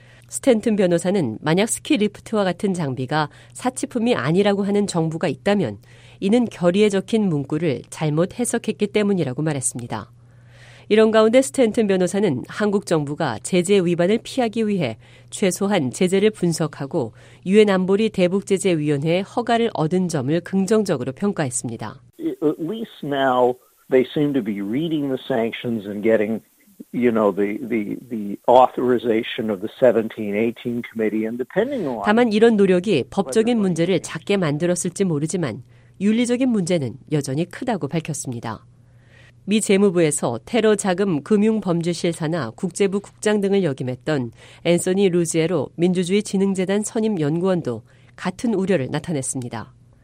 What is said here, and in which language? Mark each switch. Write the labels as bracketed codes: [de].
[ko] 스탠튼 변호사는 만약 스키 리프트와 같은 장비가 사치품이 아니라고 하는 정부가 있다면 이는 결의에 적힌 문구를 잘못 해석했기 때문이라고 말했습니다. 이런 가운데 스탠튼 변호사는 한국 정부가 제재 위반을 피하기 위해 최소한 제재를 분석하고 유엔 안보리 대북제재위원회의 허가를 얻은 점을 긍정적으로 평가했습니다. [en] At least now they seem to be reading the sanctions and getting, you know, the authorization of the 1718 committee and depending on. [ko] 다만 이런 노력이 법적인 문제를 작게 만들었을지 모르지만 윤리적인 문제는 여전히 크다고 밝혔습니다. 미 재무부에서 테러 자금 금융 범죄 실사나 국제부 국장 등을 역임했던 앤서니 루지에로 민주주의 진흥재단 선임 연구원도 같은 우려를 나타냈습니다.